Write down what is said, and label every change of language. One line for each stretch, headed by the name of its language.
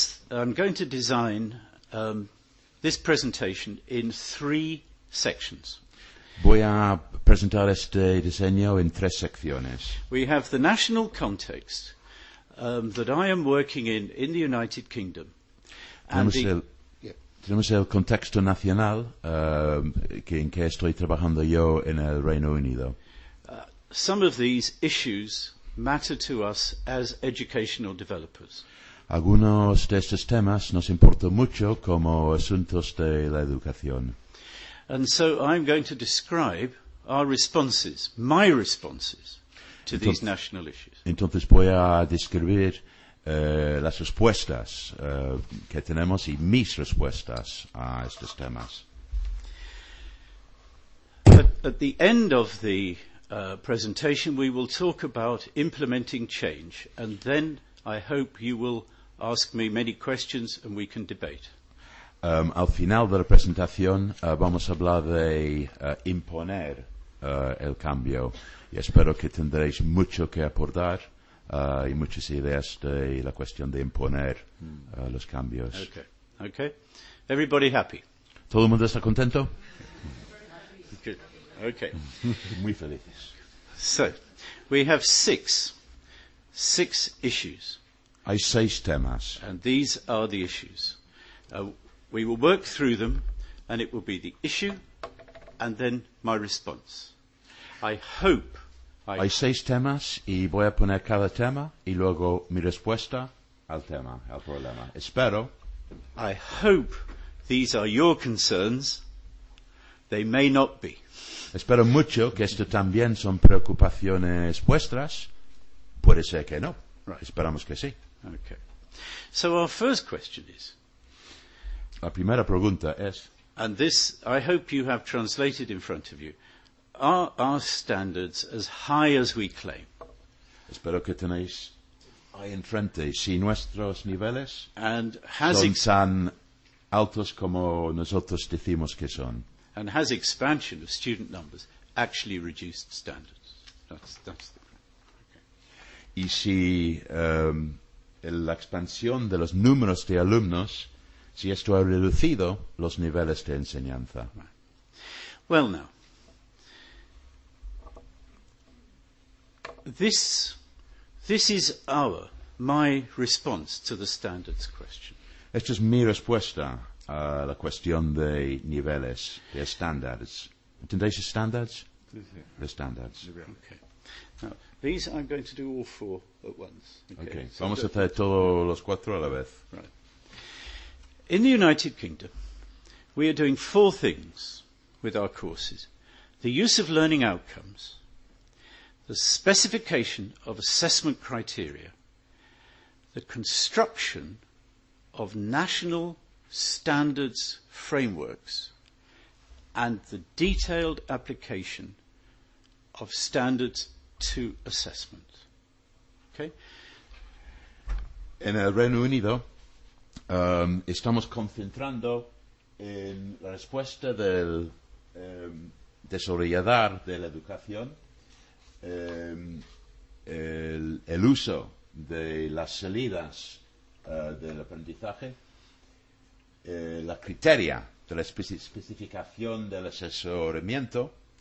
English: I'm going to design this presentation in three sections.
Spanish: Voy a presentar este diseño en tres secciones.
English: We have the national context that I am working in the United Kingdom.
Spanish: Tenemos el contexto nacional en que estoy trabajando yo en el Reino Unido.
English: Some of these issues matter to us as educational developers.
Spanish: Algunos de estos temas nos importan mucho como asuntos de la educación.
English: And so I'm going to describe our responses, my responses, these national issues.
Spanish: Entonces voy a describir las respuestas que tenemos y mis respuestas a estos temas.
English: At the end of the presentation, we will talk about implementing change, and then I hope you will ask me many questions and we can debate.
Spanish: Al final de la presentación vamos a hablar de imponer el cambio, y espero que tendréis mucho que aportar y muchas ideas de la cuestión de imponer los cambios.
English: Okay. Everybody happy?
Spanish: ¿Todo el mundo está contento?
English: Okay.
Spanish: Muy felices.
English: So, we have six six issues.
Spanish: Hay seis temas.
English: And these are the issues. We will work through them, and it will be the issue, and then my response.
Spanish: Hay seis temas, y voy a poner cada tema, y luego mi respuesta al tema, al problema. Espero.
English: I hope these are your concerns. They may not be.
Spanish: Espero mucho que esto también son preocupaciones vuestras. Puede ser que no.
English: Right.
Spanish: Esperamos que sí.
English: Okay. So our first question is.
Spanish: La primera pregunta es.
English: And this, I hope you have translated in front of you. Are our standards as high as we claim?
Spanish: Espero que tenéis ahí enfrente. Si nuestros niveles
English: and
Spanish: son tan altos como nosotros decimos que son.
English: And has expansion of student numbers actually reduced standards? That's the
Spanish: Y si la expansión de los números de alumnos, si esto ha reducido los niveles de enseñanza.
English: Right. Well, now, this is my response to the standards question.
Spanish: Esta es mi respuesta a la cuestión de niveles, de estándares. ¿Entendéis estándares? Sí.
English: The standards. Okay. Now, these I'm going to do all four at once. Okay. Okay.
Spanish: Vamos a hacer todos los cuatro a la vez.
English: Right. In the United Kingdom, we are doing four things with our courses. The use of learning outcomes, the specification of assessment criteria, the construction of national standards frameworks, and the detailed application of standards to assessment. Okay.
Spanish: En el Reino Unido estamos concentrando en la respuesta del desarrollador de la educación el uso de las salidas del aprendizaje la criteria de la especificación del asesoramiento